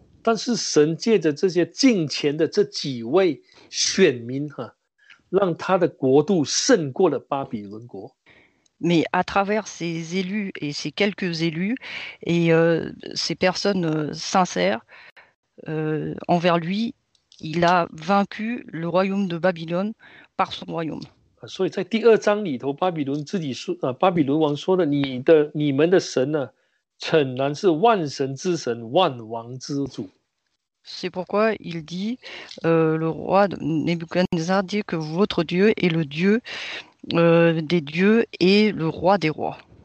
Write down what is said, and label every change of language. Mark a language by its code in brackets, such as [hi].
[fr] Mais à travers ces élus et ces quelques élus et ces personnes sincères envers lui, il a vaincu le royaume de Babylone par son royaume. [zh] 所以在第二章里头，巴比伦自己说，巴比伦王说的，你们的神呢，诚然是万神之神，万王之主。 [fr] C'est pourquoi il dit, le roi de Nebuchadnezzar dit que votre Dieu est le Dieu des dieux et le roi des rois.